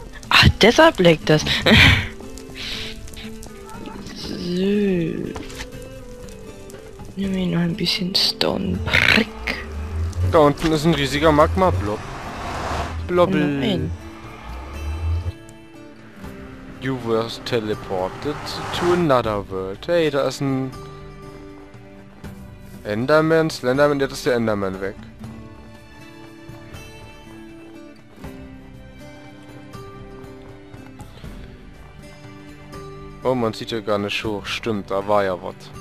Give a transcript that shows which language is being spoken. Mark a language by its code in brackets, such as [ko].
[de] Ach, deshalb laggt das. So. Nimm mir noch ein bisschen Stone Brick. Da unten ist ein riesiger Magma-Blob. Blobbel. [en] You were teleported to another world. [de] Hey, da ist ein Enderman, Slenderman, jetzt ist der Enderman weg. Oh, man sieht ja gar nicht hoch. Stimmt, da war ja was.